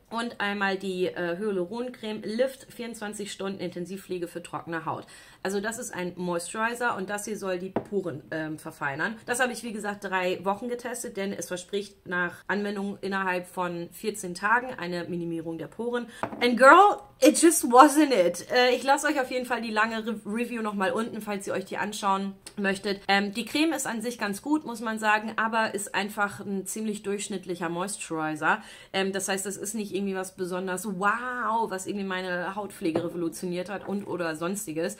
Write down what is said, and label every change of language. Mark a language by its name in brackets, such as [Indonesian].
[German] Und einmal die Hyaluroncreme Lift 24 Stunden Intensivpflege für trockene Haut. Also das ist ein Moisturizer und das hier soll die Poren verfeinern. Das habe ich, wie gesagt, 3 Wochen getestet, denn es verspricht nach Anwendung innerhalb von 14 Tagen eine Minimierung der Poren. [English] And girl, it just wasn't it. [German] Ich lasse euch auf jeden Fall die lange Review nochmal unten, falls ihr euch die anschauen möchtet. Die Creme ist an sich ganz gut, muss man sagen, aber ist einfach ein ziemlich durchschnittlicher Moisturizer. Das heißt, das ist nicht irgendwie was besonders wow, was irgendwie meine Hautpflege revolutioniert hat und oder sonstiges.